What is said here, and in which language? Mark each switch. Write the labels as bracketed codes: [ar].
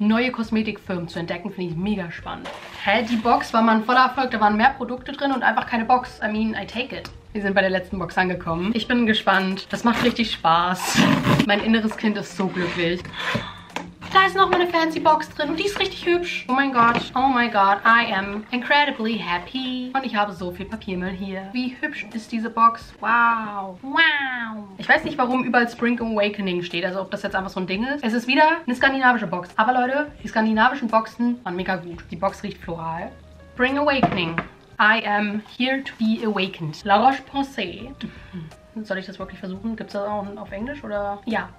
[de] Neue Kosmetikfirmen zu entdecken, finde ich mega spannend. Hä, die Box war mal ein voller Erfolg. Da waren mehr Produkte drin und einfach keine Box. [en] I mean, I take it. [de] Wir sind bei der letzten Box angekommen. Ich bin gespannt. Das macht richtig Spaß. Mein inneres Kind ist so glücklich. Da ist noch mal eine fancy Box drin und die ist richtig hübsch. Oh mein Gott, oh mein Gott, [en] I am incredibly happy. [de] Und ich habe so viel Papiermüll hier. Wie hübsch ist diese Box? Wow, wow. Ich weiß nicht, warum überall Spring Awakening steht, also ob das jetzt einfach so ein Ding ist. Es ist wieder eine skandinavische Box. Aber Leute, die skandinavischen Boxen waren mega gut. Die Box riecht floral. Spring Awakening. [en] I am here to be awakened. [de] La Roche-Posay. Soll ich das wirklich versuchen? Gibt es das auch auf Englisch oder? Ja,